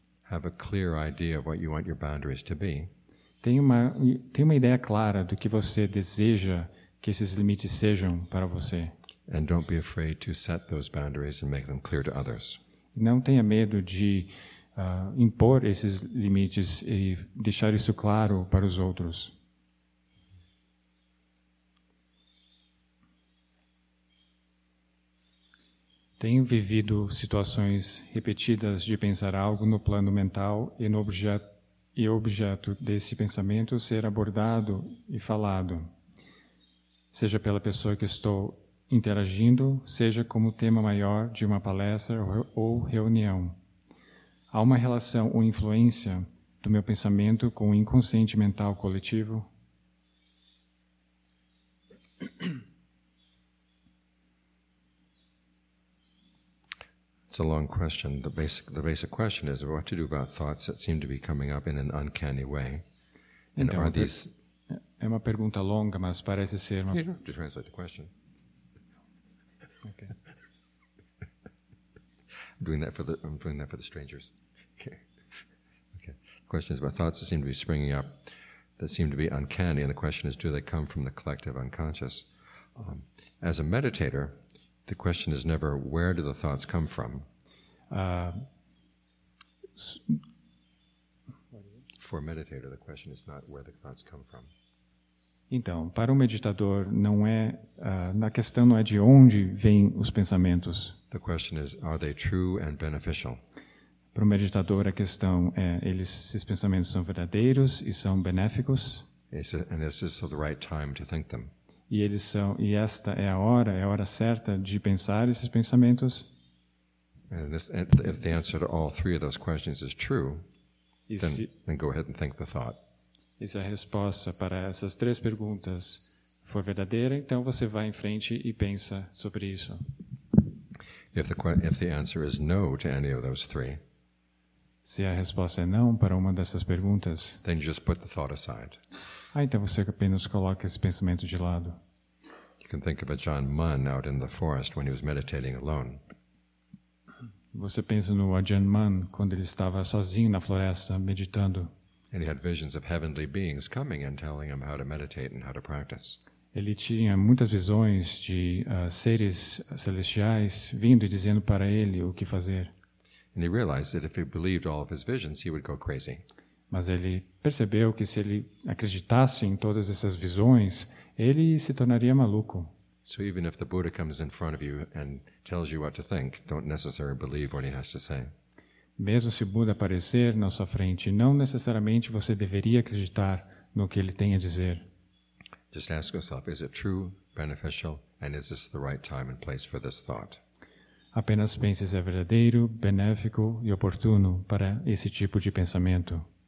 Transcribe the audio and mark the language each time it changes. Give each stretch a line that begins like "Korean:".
English: Have a clear idea of what you want your boundaries to be.
Portuguese: Tenha uma ideia clara do que você deseja que esses limites sejam para você.
English: And don't be afraid to set those boundaries and make them clear to others.
Portuguese: Não tenha medo de impor esses limites e deixar isso claro para os outros. Tenho vivido situações repetidas de pensar algo no plano mental e no objeto desse pensamento ser abordado e falado. Seja pela pessoa que estou interagindo, seja como tema maior de uma palestra ou reunião. Há uma relação ou influência do meu pensamento com o inconsciente mental coletivo?
English: It's a long question. The basic question is what to do about thoughts that seem to be coming up in an uncanny way. And então, are these...
Portuguese: É uma pergunta longa, mas parece ser uma...
English: You don't have to translate the question. Okay. I'm doing that for the strangers. Okay. The question is about thoughts that seem to be springing up, that seem to be uncanny, and the question is, do they come from the collective unconscious? As a meditator, the question is never, where do the thoughts come from? For a meditator, the question is not where the thoughts come from.
Portuguese: Então, para um meditador, não é na questão não é de onde vêm os pensamentos.
English: The question is, are they true and beneficial?
Portuguese: Para um meditador, a questão é, esses pensamentos são verdadeiros e são benéficos?
English: And is this the right time to think them?
Portuguese: E esta é a hora certa de pensar esses pensamentos?
English: If the answer to all three of those questions is true, then go ahead and think the thought.
Portuguese: E se a resposta para essas três perguntas for verdadeira, então você vai em frente e pensa sobre isso.
English: If the answer is no to any of those three,
Portuguese: Se a resposta é não para uma dessas perguntas,
English: then you just put the thought aside.
Portuguese: Ah, então você apenas coloca esse pensamento de lado.
English: You can think of a John Munn out in the forest when he was meditating alone.
Portuguese: Você pensa no Ajahn Mun quando ele estava sozinho na floresta meditando.
English: And he had visions of heavenly beings coming and telling him how to meditate and how to practice.
Portuguese: Ele tinha muitas visões de seres celestiais vindo e dizendo para ele o que fazer.
English: And he realized that if he believed all of his visions, he would go crazy.
Portuguese: Mas ele percebeu que se ele acreditasse em todas essas visões, ele se tornaria maluco.
English: So even if the Buddha comes in front of you and tells you what to think, don't necessarily believe what he has to say.
Portuguese: Mesmo se o Buda aparecer na sua frente, não necessariamente você deveria acreditar no que ele tem a dizer.
English: Just ask yourself, is it true, beneficial, and is this the right time and place for this thought?
Portuguese: Apenas pense se é verdadeiro, benéfico e oportuno para esse tipo de pensamento.